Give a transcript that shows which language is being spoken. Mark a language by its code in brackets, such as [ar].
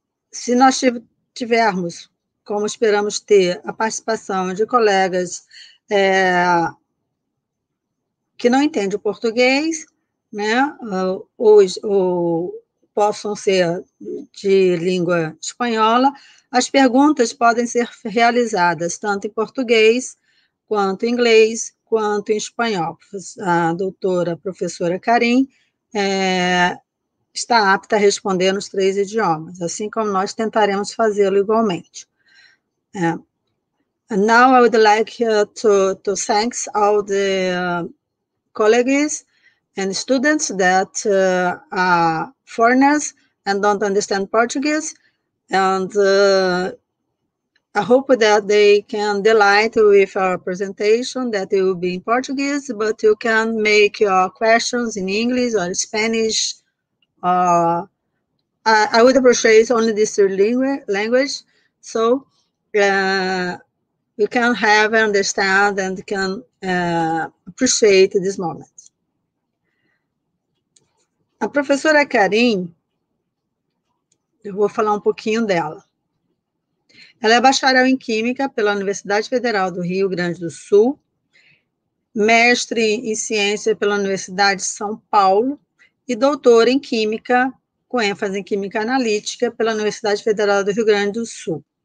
[pt] Se nós tivermos, como esperamos ter, a participação de colegas que não entendem o português, né, ou possam ser de língua espanhola, as perguntas podem ser realizadas tanto em português, quanto em inglês, quanto em espanhol. A doutora professora Karim está apta a responder nos 3 idiomas, assim como nós tentaremos fazê-lo igualmente. [en] And now I would like to thank all the colleagues and students that are foreigners and don't understand Portuguese, and I hope that they can delight with our presentation, that it will be in Portuguese, but you can make your questions in English or Spanish. I would appreciate only this language, so you can have and understand and can appreciate this moment. [pt] A professora Karim Eu vou falar um pouquinho dela. Ela é bacharel em Química pela Universidade Federal do Rio Grande do Sul, mestre em Ciência pela Universidade de São Paulo e doutora em Química, com ênfase em Química Analítica, pela Universidade Federal do Rio Grande do Sul.